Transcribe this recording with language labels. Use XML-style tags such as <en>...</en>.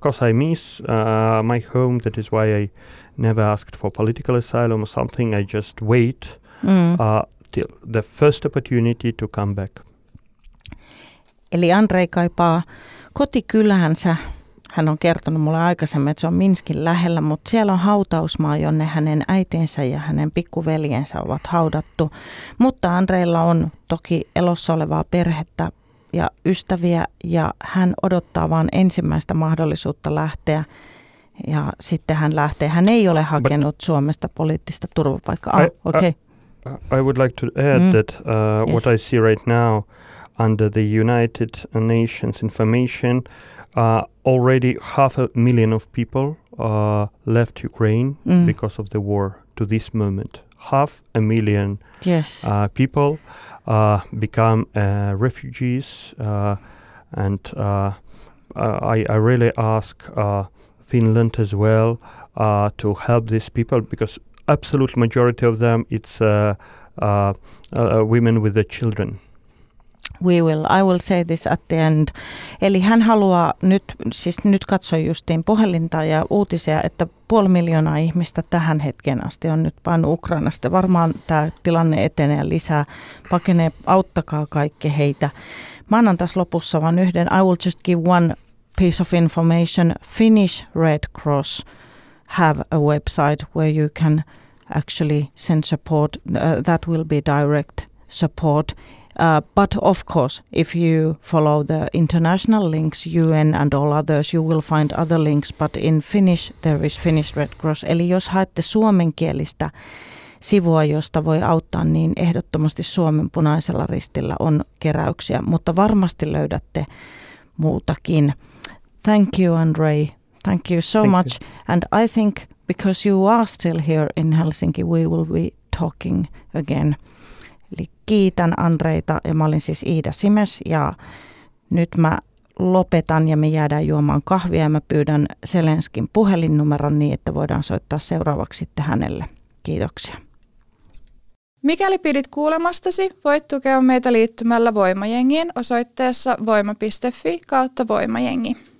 <en>I miss my home. That is why I never asked for political asylum or something. I just wait till the first opportunity to come back.</en> <fi>Eli Andrei kaipaa kotikylänsä. Hän on kertonut mulle aikaisemmin, että se on Minskin lähellä, mutta siellä on hautausmaa, jonne hänen äitinsä ja hänen pikkuveljensä ovat haudattu. Mutta Andreilla on toki elossa olevaa perhettä ja ystäviä, ja hän odottaa vain ensimmäistä mahdollisuutta lähteä. Ja sitten hän lähtee. Hän ei ole hakenut Suomesta poliittista turvapaikkaa.</fi> <en>I would like to add that what I see right now, under the United Nations information, already 500,000 of people left Ukraine because of the war to this moment. 500,000 people become refugees. And I really ask Finland as well to help these people, because absolute majority of them, it's women with the children. I will say this at the end.</en> <fi>Eli hän haluaa nyt, siis nyt katsoi justiin puhelinta ja uutisia, että 500,000 ihmistä tähän hetkeen asti on nyt vain Ukrainasta. Varmaan tämä tilanne etenee lisää, pakenee, auttakaa kaikki heitä. Mä annan tässä lopussa vain yhden.</fi> <en>I will just give one piece of information. Finnish Red Cross have a website where you can actually send support. That will be direct support. But of course, if you follow the international links, UN and all others, you will find other links. But in Finnish, there is Finnish Red Cross.</en> <fi>Eli jos haette suomenkielistä sivua, josta voi auttaa, niin ehdottomasti Suomen Punaisella Ristillä on keräyksiä. Mutta varmasti löydätte muutakin.</fi> <en>Thank you, Andre. Thank you so much. And I think because you are still here in Helsinki, we will be talking again.</en> <fi>Eli kiitän Andreita, ja mä olin siis Iida Simes, ja nyt mä lopetan ja me jäädään juomaan kahvia ja mä pyydän Zelenskin puhelinnumeron niin, että voidaan soittaa seuraavaksi sitten hänelle. Kiitoksia. Mikäli pidit kuulemastasi, voit tukea meitä liittymällä Voimajengiin osoitteessa voima.fi/voimajengi.</fi>